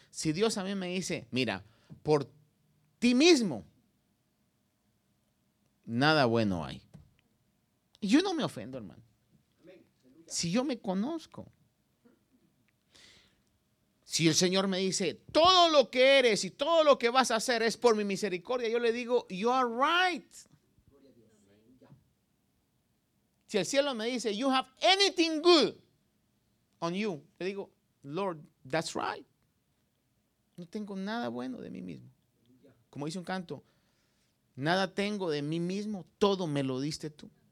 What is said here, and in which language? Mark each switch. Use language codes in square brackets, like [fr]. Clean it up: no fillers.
[es] Si Dios a mí me dice, mira, por ti mismo, nada bueno hay. Yo no me ofendo, hermano. Si yo me conozco. Si el Señor me dice, todo lo que eres y todo lo que vas a hacer es por mi misericordia, yo le digo, [en] you are right. [es] Si el cielo me dice, [en] you have anything good on you, [es] le digo, [en] Lord, that's right. [es] No tengo nada bueno de mí mismo. Como dice un canto, nada tengo de mí mismo, todo me lo diste tú.